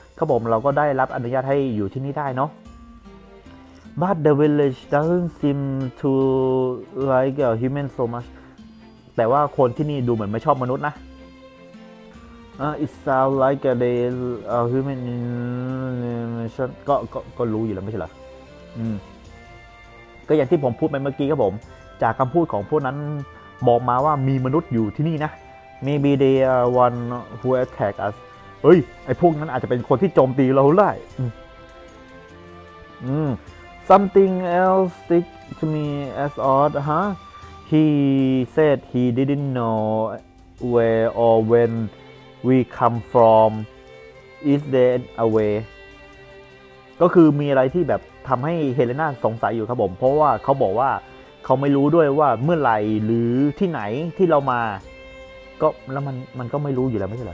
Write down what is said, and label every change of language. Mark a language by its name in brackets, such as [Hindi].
[Thai] เขาบอกเราก็ได้รับอนุญาตให้อยู่ที่นี่ได้เนาะ [English] but the village doesn't seem to like a human so much [Thai] แต่ว่าคนที่นี่ดูเหมือนไม่ชอบมนุษย์นะ [English] it sounds like a human invention [Thai] ก็รู้อยู่แล้วไม่ใช่หรอก็อย่างที่ผมพูดไปเมื่อกี้ครับผมจากคำพูดของพวกนั้นบอกมาว่ามีมนุษย์อยู่ที่นี่นะ [English] Maybe they are one who attack us [Thai] เฮ้ยไอ้พวกนั้นอาจจะเป็นคนที่โจมตีเราได้ [English] Something else stick to me as odd He said he didn't know where or when we come from Is there a way [Thai] ก็คือมีอะไรที่แบบทำให้เฮเลน่าสงสัยอยู่ครับผมเพราะว่าเขาบอกว่าเขาไม่รู้ด้วยว่าเมื่อไหร่หรือที่ไหนที่เรามาก็แล้วมันก็ไม่รู้อยู่แล้วไม่ใช่เหร